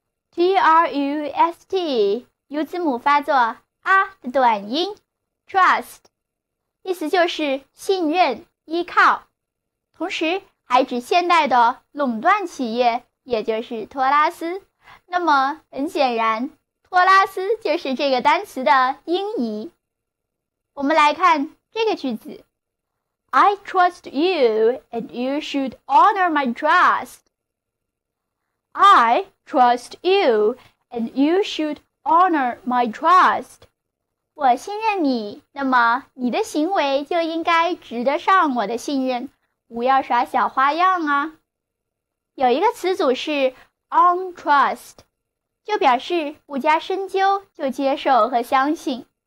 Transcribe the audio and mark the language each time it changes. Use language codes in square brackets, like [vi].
[zh] T-R-U-S-T, 由字母发作 啊 的短音 ,trust, 意思就是信任、依靠。同时还指现代的垄断企业，也就是托拉斯。那么很显然，托拉斯就是这个单词的音译。我们来看这个句子。 [en] I trust you and you should honor my trust. I trust you, and you should honor my trust. [zh] 我信任你，那么你的行为就应该值得上我的信任，不要耍小花样啊。有一个词组是 on trust 就表示不加深究就接受和相信。